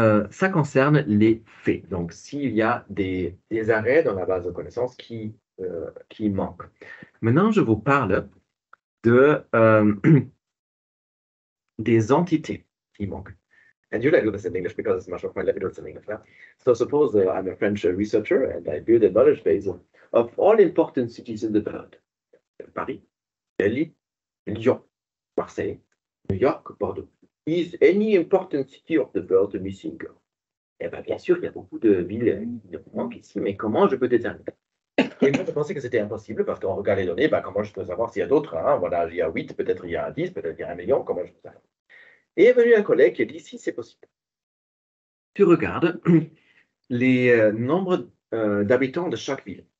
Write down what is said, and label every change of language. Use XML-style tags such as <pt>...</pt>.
<fr>Ça concerne les faits. Donc, s'il y a des arrêts dans la base de connaissances qui manquent. Maintenant, je vous parle des entités qui manquent.</fr> <en>And you like to do this in English because it's much more fun. Let me do this in English now. So, suppose I'm a French researcher and I build a knowledge base of all important cities in the world. Paris, Delhi, Lyon, Marseille, New York, Bordeaux. Is any important city of the world missing?</en> <fr>Eh bien, bien sûr, il y a beaucoup de villes qui manquent ici, mais comment je peux déterminer? Et moi, je pensais que c'était impossible parce qu'on regarde les données, ben, comment je peux savoir s'il y a d'autres, hein? Voilà, il y a 8, peut-être il y a 10, peut-être il y a 1 million, comment je peux savoir? Et est venu un collègue qui a dit, si, c'est possible. Tu regardes les nombres d'habitants de chaque ville.</fr>